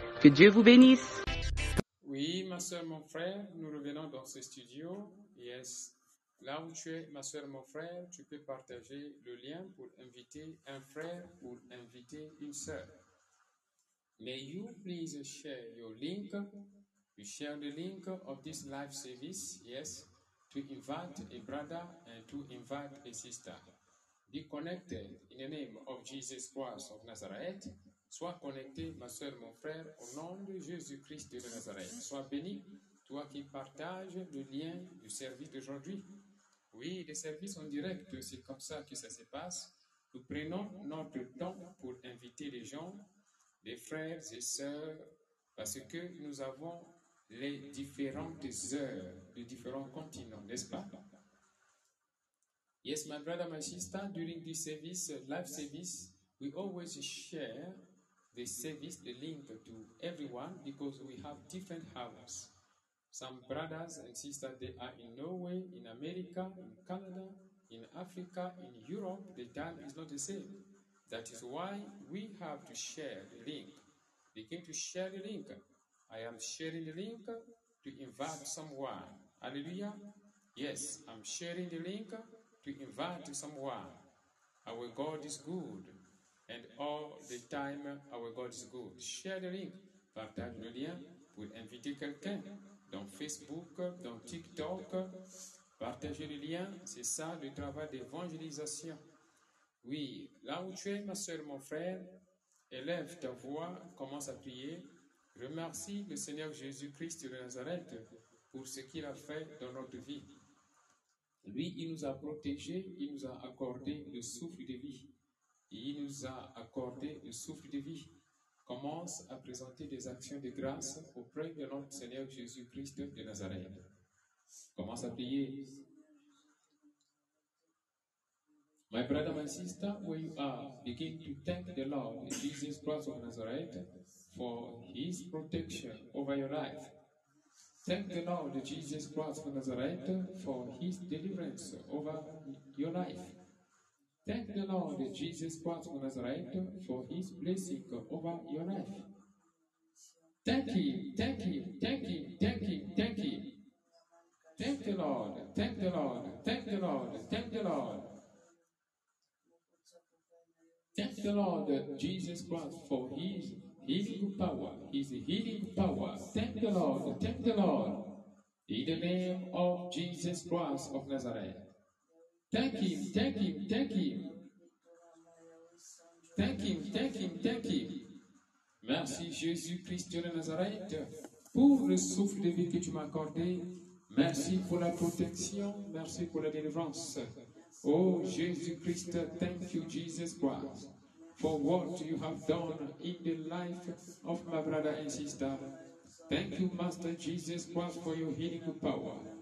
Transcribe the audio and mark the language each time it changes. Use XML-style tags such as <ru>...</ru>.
<fr>Que Dieu vous bénisse. Oui, ma soeur, mon frère, nous revenons dans ce studio. Yes. Là où tu es, ma soeur, mon frère, tu peux partager le lien pour inviter un frère ou inviter une soeur.</fr> <en>May you please share your link. You share the link of this live service. Yes. To invite a brother and to invite a sister. Be connected in the name of Jesus Christ of Nazareth.</en> <fr>Sois connecté, ma soeur, mon frère, au nom de Jésus-Christ de Nazareth. Sois béni, toi qui partages le lien du service d'aujourd'hui. Oui, les services en direct, c'est comme ça que ça se passe. Nous prenons notre temps pour inviter les gens, les frères et sœurs, parce que nous avons les différentes heures de différents continents, n'est-ce pas?</fr> <en>Yes, my brother, my sister, during this service, live service, we always share the service, the link to everyone because we have different hours. Some brothers and sisters, they are in Norway, in America, in Canada, in Africa, in Europe. The time is not the same. That is why we have to share the link. Begin to share the link. I am sharing the link to invite someone. Hallelujah. Yes, I'm sharing the link to invite someone. Our God is good. And all the time, our God is good. Share the link.</en> <fr>Partage le lien pour inviter quelqu'un dans Facebook, dans TikTok. Partagez le lien. C'est ça le travail d'évangélisation. Oui, là où tu es, ma soeur, mon frère, élève ta voix, commence à prier. Remercie le Seigneur Jésus-Christ de Nazareth pour ce qu'il a fait dans notre vie. Lui, il nous a protégés, il nous a accordé le souffle de vie. Il nous a accordé le souffle de vie. Commence à présenter des actions de grâce auprès de notre Seigneur Jésus-Christ de Nazareth. Commence à prier.</fr> <en>My brother, my sister, where you are, begin to thank the Lord Jesus Christ of Nazareth for his protection over your life. Thank the Lord Jesus Christ of Nazareth for his deliverance over your life. Thank the Lord Jesus Christ of Nazareth for his blessing over your life. Thank him, thank him, thank him, thank him, thank him. Thank the Lord, thank the Lord, thank the Lord, thank the Lord. Thank the Lord Jesus Christ for His healing power. His healing power. Thank the Lord. Thank the Lord. In the name of Jesus Christ of Nazareth. Thank Him. Thank Him. Thank Him. Thank Him. Thank Him. Thank Him.</en> <fr>Merci Jésus-Christ de Nazareth pour le souffle de vie que tu m'as accordé. Merci pour la protection. Merci pour la délivrance.</fr> <en>Oh Jésus Christ, thank you Jesus Christ for what you have done in the life of my brother and sister. Thank you Master Jesus Christ for your healing power.</en>